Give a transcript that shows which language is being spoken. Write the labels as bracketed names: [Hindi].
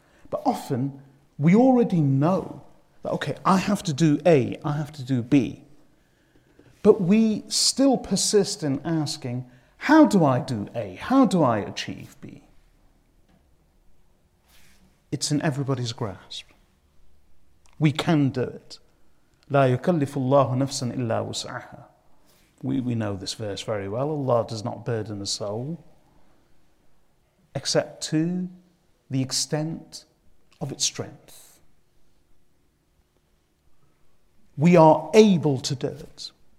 [English] But often, we already know that, okay, I have to do A, I have to do B. But we still persist in asking, how do I do A? How do I achieve B? It's in everybody's grasp. We can do it. [Arabic] لا يكلف الله نفسا إلا وسعها. [English] We know this verse very well. Allah does not burden a soul except to the extent of its strength. We are able to do it.